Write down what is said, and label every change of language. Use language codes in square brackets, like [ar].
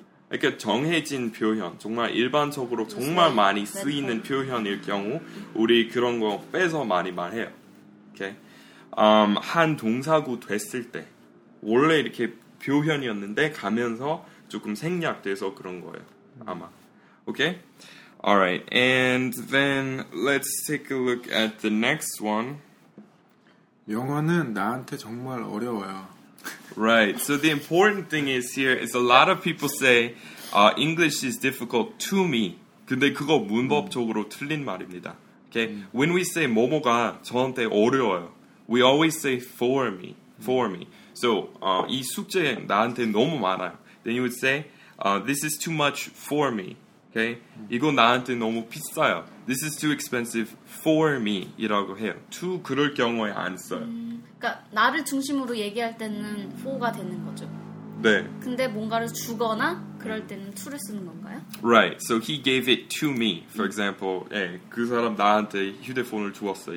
[ko] 이렇게 정해진 표현, 정말 일반적으로 정말 많이 쓰이는 표현일 경우 우리 그런 거 빼서 많이 말해요. Okay. 한 동사구 됐을 때 원래 이렇게 표현이었는데 가면서 조금 생략돼서 그런 거예요. 아마. [en] Okay? Alright. And then let's take a look at the next one. [ko] 영어는 나한테 정말 어려워요. [en] Right, so the important thing is here is a lot of people say English is difficult to me. [ko] 근데 그거 문법적으로 틀린 말입니다. [en] Okay? When we say [ko] 뭐뭐가 저한테 어려워요, [en] we always say for me, for me. [ko] So 이 숙제 나한테 너무 많아요. [en] Then you would say this is too much for me. Okay? [ko] 이거 나한테 너무 비싸요. [en] This is too expensive for me [ko] 이라고 해요. To 그럴 경우에 안 써요. 그러니까 나를 중심으로 얘기할 때는 for가 되는 거죠. 네. 근데 뭔가를 주거나 그럴 때는 to를 쓰는 건가요? [en] Right. So he gave it to me. For example, [ko] 예, 그 사람 나한테 휴대폰을 주었어요.